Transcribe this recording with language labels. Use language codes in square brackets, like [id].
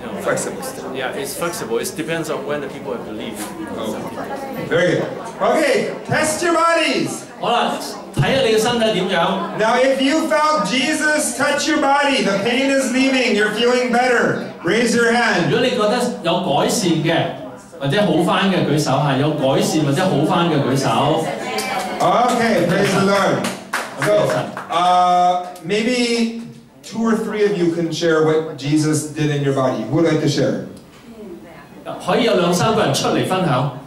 [en] Flexible. Yeah, it's flexible. It depends on when the people have to leave. Oh, very good. Okay, test your bodies. [yue] 好啦，睇下你嘅身體點樣。 [en] Now, if you felt Jesus touch your body, the pain is leaving, you're feeling better, raise your hand. [yue] 如果你覺得有改善嘅，或者好翻嘅，舉手下。有改善或者好翻嘅，舉手。 [en] Okay, praise the Lord. So, maybe. Two or three of you can share what Jesus did in your body. Who would like to share? [yue] 可以有兩三個人出嚟分享。